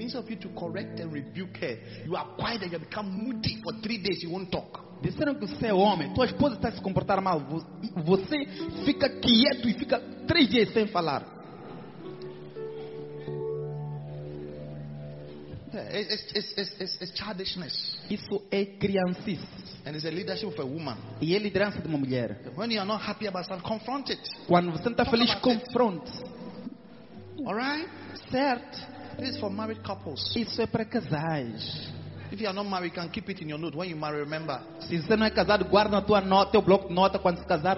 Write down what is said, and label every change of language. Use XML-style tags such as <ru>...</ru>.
<en>Instead of you to correct and rebuke her, you are quiet and you become moody for 3 days. You won't talk.</en> <pt>Disseram que você é homem. Tua esposa está a se comportar mal. Você fica quieto e fica 3 dias sem falar.</pt> <en>It's childishness.</en> <pt>Isso é criancice.</pt> <en>And it's a leadership of a woman.</en> <pt>E é liderança de uma mulher.</pt> <en>When you are not happy about something, confront it.</en> <pt>Quando você não está feliz, confronte.</pt> <en>All right?</en> <pt>Certo.</pt> <en>This is for married couples.</en> <pt>Isso é para casais.</pt> <en>If you are not married, can keep it in your note when you marry. Remember.</en> <pt>Se você não é casado, guarda na tua nota, teu bloco de nota quando se casar.</pt>